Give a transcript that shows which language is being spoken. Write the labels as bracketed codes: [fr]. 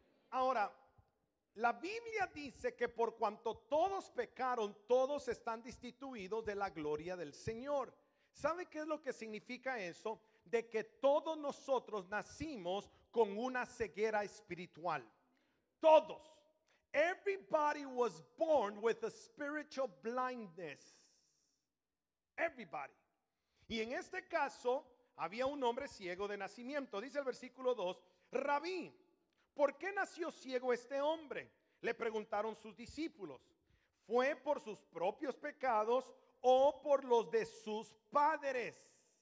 [es] Ahora, la Biblia dice que por cuanto todos pecaron, todos están destituidos de la gloria del Señor. ¿Sabe qué es lo que significa eso? De que todos nosotros nacimos con una ceguera espiritual. Todos. [en] Everybody was born with a spiritual blindness. Everybody. [es] Y en este caso, había un hombre ciego de nacimiento. Dice el versículo 2, Rabí, ¿por qué nació ciego este hombre? Le preguntaron sus discípulos. ¿Fue por sus propios pecados o por los de sus padres?